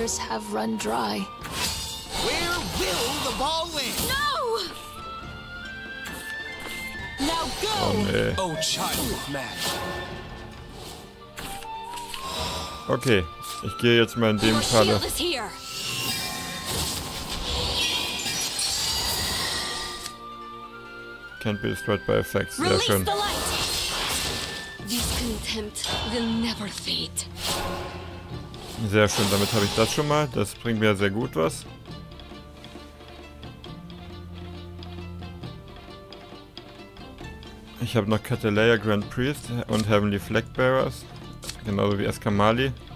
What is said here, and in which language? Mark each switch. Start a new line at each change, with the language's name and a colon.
English: Have run dry. Where will the ball land? No! Now go!
German: Oh, nee.
English: Oh, child of man.
German: Okay, ich gehe jetzt mal in dem Fall.
English: Can't be destroyed by effects. Release
German: sehr schön.
English: The light. This contempt will never fade.
German: Sehr schön, damit habe ich das schon mal. Das bringt mir sehr gut was. Ich habe noch Cattleya Grand Priest und Heavenly Flagbearers. Genauso wie Escamali.